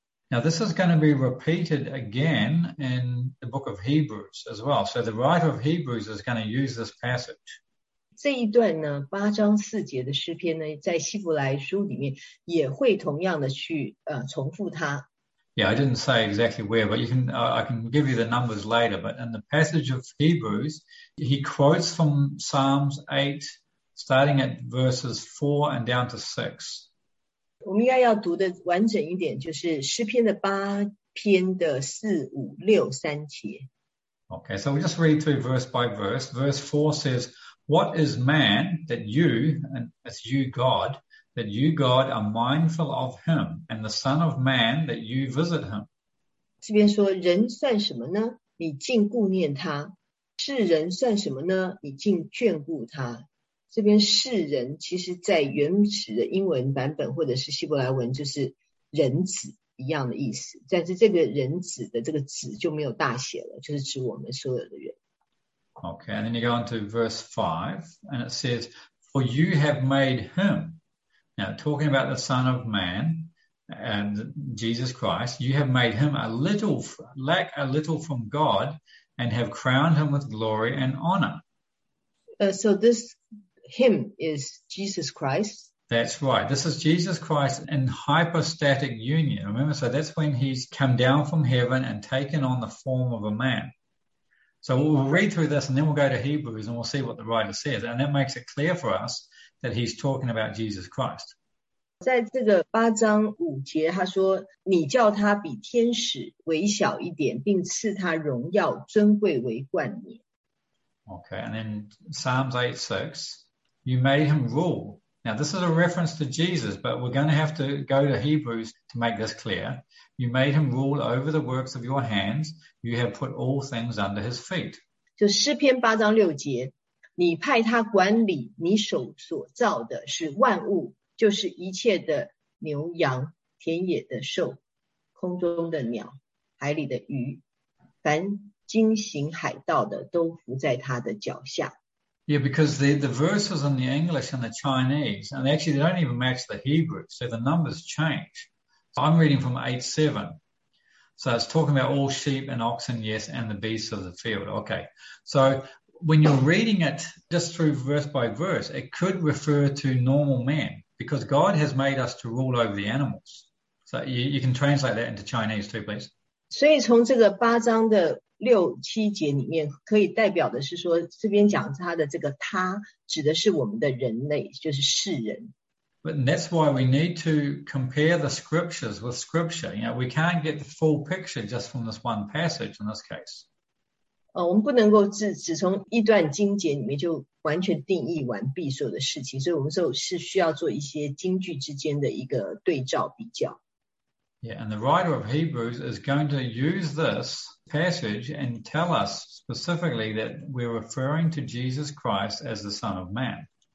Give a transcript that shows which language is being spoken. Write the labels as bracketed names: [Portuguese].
[English] Now this is going to be repeated again in the book of Hebrews as well. So the writer of Hebrews is going to use this passage. [Chinese] 这一段呢，八章四节的诗篇呢，在希伯来书里面也会同样的去重复它。 [English] Yeah, I didn't say exactly where, but you can, I can give you the numbers later. But in the passage of Hebrews, he quotes from Psalms 8, starting at verses 4 and down to 6. [Chinese] 我们应该要读的完整一点，就是诗篇的八篇的四五六三节。 [English] Okay, so we'll just read through verse by verse. Verse 4 says, What is man that you, and it's you God, that you God are mindful of him, and the son of man that you visit him? [Chinese] 这边说人算什么呢？你竟顾念他。世人算什么呢？你竟眷顾他。这边世人其实在原始的英文版本或者是希伯来文就是人子一样的意思，但是这个人子的这个子就没有大写了，就是指我们所有的人。 [English] Okay, and then you go on to verse 5, and it says, For you have made him, now talking about the Son of Man and Jesus Christ, you have made him a little, lack a little from God, and have crowned him with glory and honor. So this him is Jesus Christ. That's right. This is Jesus Christ in hypostatic union. Remember, so that's when he's come down from heaven and taken on the form of a man. So we'll read through this and then we'll go to Hebrews and we'll see what the writer says. And that makes it clear for us that he's talking about Jesus Christ. [Chinese] 在这个八章五节他说你叫他比天使微小一点并赐他荣耀尊贵为冠冕。 [English] Okay, and then Psalms 8:6, you made him rule. Now this is a reference to Jesus, but we're going to have to go to Hebrews to make this clear. You made him rule over the works of your hands. You have put all things under his feet. [Chinese] 就诗篇八章六节，你派他管理你手所造的是万物，就是一切的牛羊、田野的兽、空中的鸟、海里的鱼，凡经行海道的都伏在他的脚下。 [English] Yeah, because the verses in the English and the Chinese, and actually they don't even match the Hebrew, so the numbers change. So I'm reading from 8:7. So it's talking about all sheep and oxen, yes, and the beasts of the field. Okay, so when you're reading it just through verse by verse, it could refer to normal men, because God has made us to rule over the animals. So you can translate that into Chinese too, please. [Chinese] 所以从这个八章的六七节里面可以代表的是说这边讲他的这个他指的是我们的人类就是世人。 [English] But that's why we need to compare the scriptures with scripture. You know, we can't get the full picture just from this one passage in this case. [Chinese] 我们不能够只从一段经节里面就完全定义完毕所有的事情，所以我们说是需要做一些经句之间的一个对照比较。 [English] Yeah, and the writer of Hebrews is going to use this passage and tell us specifically that we're referring to Jesus Christ as the Son of Man.